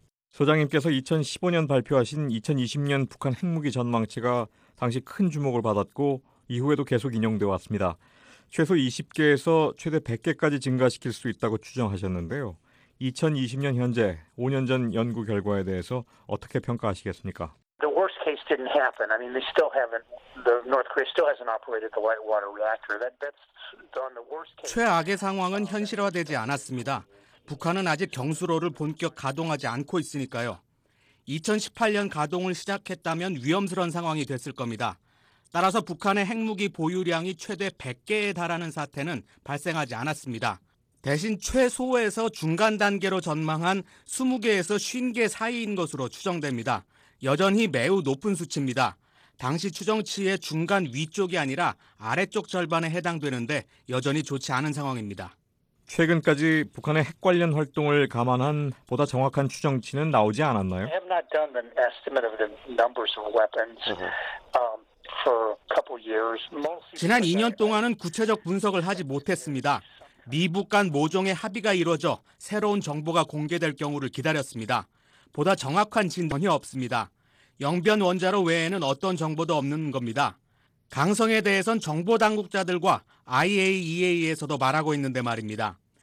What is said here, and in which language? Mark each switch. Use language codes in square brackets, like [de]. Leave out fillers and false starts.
[ko] 소장님께서 2015년 발표하신 2020년 북한 핵무기 전망치가 당시 큰 주목을 받았고 이후에도 계속 인용돼 왔습니다. 최소 20개에서 최대 100개까지 증가시킬 수 있다고 추정하셨는데요. 2020년 현재 5년 전 연구 결과에 대해서 어떻게 평가하시겠습니까? [en] The worst case didn't happen. I mean, they still haven't. The North Korea still hasn't operated the light water reactor. That's on the worst case. [ko] 최악의 상황은 현실화되지 않았습니다. 북한은 아직 경수로를 본격 가동하지 않고 있으니까요. 2018년 가동을 시작했다면 위험스러운 상황이 됐을 겁니다. 따라서 북한의 핵무기 보유량이 최대 100개에 달하는 사태는 발생하지 않았습니다. 대신 최소에서 중간 단계로 전망한 20개에서 50개 사이인 것으로 추정됩니다. 여전히 매우 높은 수치입니다. 당시 추정치의 중간 위쪽이 아니라 아래쪽 절반에 해당되는데 여전히 좋지 않은 상황입니다. 최근까지 북한의 핵 관련 활동을 감안한 보다 정확한 추정치는 나오지 않았나요? [en] I have not done an estimate of the numbers of weapons for a couple years. [ko] 지난 2년 동안은 구체적 분석을 하지 못했습니다. 미북 간 모종의 합의가 이루어져 새로운 정보가 공개될 경우를 기다렸습니다. 보다 정확한 진전이 없습니다. 영변 원자로 외에는 어떤 정보도 없는 겁니다. 강성에 대해선 정보 당국자들과 IAEA에서도 말하고 있는데 말입니다.